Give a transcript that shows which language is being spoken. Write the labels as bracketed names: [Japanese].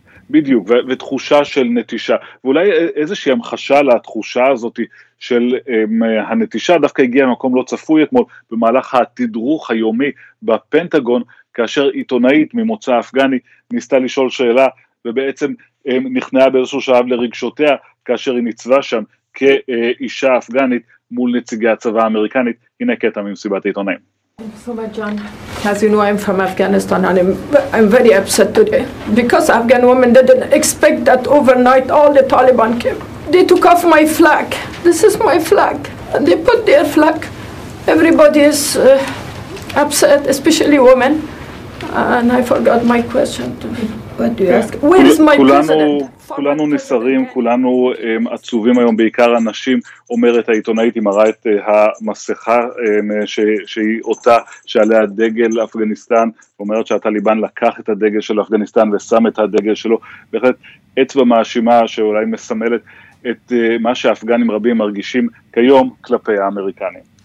[Hebrew] בדיוק, ותחושה של נטישה, ואולי איזושהי המחשה לתחושה הזאת של הנטישה, דווקא הגיעה למקום לא צפוי אתמול, במהלך התדרוך היומי בפנטגון, כאשר עיתונאית ממוצא אפגני ניסתה לשאול שאלה, ובעצם נכנעה באיזשהו שלב לרגשותיה, כאשר היא ניצבה שם כאישה אפגנית מול נציגי הצבא האמריקנית. הנה קטע ממסיבת העיתונאים. [English] Thank you so much, John. As you know, I'm from Afghanistan, and I'm very upset today. Because Afghan women didn't expect that overnight all the Taliban came. They took off my flag. This is my flag. And they put their flag. Everybody is upset, especially women. And I forgot my question. What do you ask? Where is my president? [Hebrew] כולנו נסערים, כולנו עצובים היום, בעיקר אנשים, אומרת העיתונאית, היא מראה את המסכה שהיא אותה, שעליה דגל אפגניסטן, אומרת שהטליבן לקח את הדגל של אפגניסטן ושם את הדגל שלו, בהחלט אצבע מאשימה שאולי מסמלת את מה שאפגנים רבים מרגישים כיום כלפי האמריקנים.